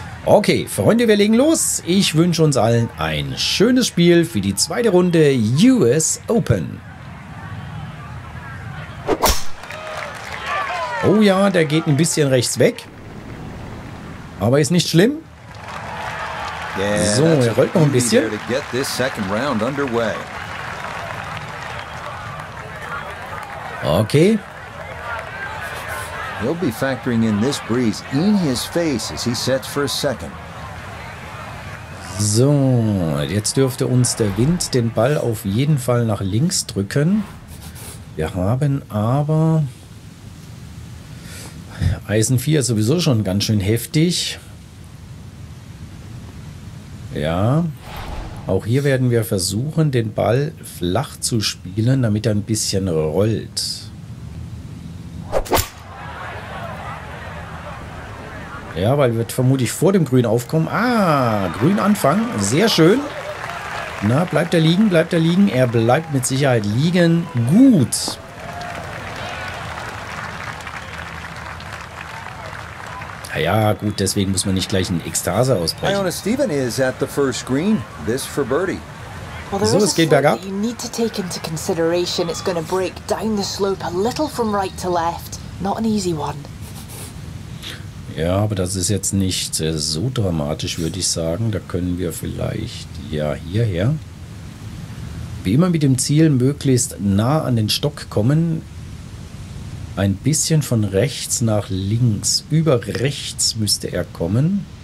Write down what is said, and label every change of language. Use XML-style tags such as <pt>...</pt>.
<de>Okay, Freunde, wir legen los. Ich wünsche uns allen ein schönes Spiel für die zweite Runde US Open. Oh ja, der geht ein bisschen rechts weg. Aber ist nicht schlimm. Yeah, so, er rollt noch ein bisschen.</de> <en>To get this second round underway. Okay. He'll be factoring in this breeze in his face as he sets for a second.</en> <de>So, jetzt dürfte uns der Wind den Ball auf jeden Fall nach links drücken. Wir haben aber Eisen 4 ist sowieso schon ganz schön heftig. Ja, auch hier werden wir versuchen, den Ball flach zu spielen, damit er ein bisschen rollt. Ja, weil wird vermutlich vor dem Grün aufkommen. Ah, Grün anfangen, sehr schön. Na, bleibt er liegen. Er bleibt mit Sicherheit liegen. Gut. Ja, Naja, gut, deswegen muss man nicht gleich in Ekstase ausbrechen.</de> <en>Iona Stephen is at the first green. This for birdie.</en> <de>So, es geht bergab.</de> <en>You need to take into consideration it's going to break down the slope a little from right to left. Not an easy one.</en> <de>Ja, aber das ist jetzt nicht so dramatisch, würde ich sagen. Da können wir vielleicht ja hierher. Wie immer mit dem Ziel, möglichst nah an den Stock kommen. Ein bisschen von rechts nach links. Über rechts müsste er kommen.</de>